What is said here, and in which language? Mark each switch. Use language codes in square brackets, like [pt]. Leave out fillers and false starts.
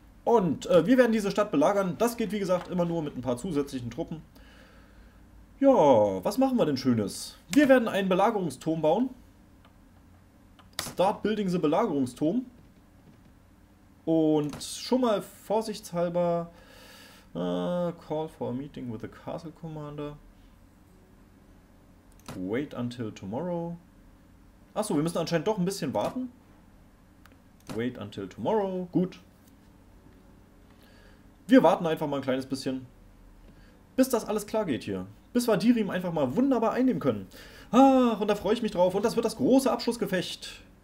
[de] Und wir werden diese Stadt belagern. Das geht, wie gesagt, immer nur mit ein paar zusätzlichen Truppen. Ja, was machen wir denn Schönes? Wir werden einen Belagerungsturm bauen. [en] Start building the [de] Belagerungsturm. Und schon mal vorsichtshalber... [en] call for a meeting with the castle commander. Wait until tomorrow. [de] Achso, wir müssen anscheinend doch ein bisschen warten. [en] Wait until tomorrow. [de] Gut. Wir warten einfach mal ein kleines bisschen. Bis das alles klar geht hier. Bis wir Dürüm einfach mal wunderbar einnehmen können. Ah, und da freue ich mich drauf. Und das wird das große Abschlussgefecht.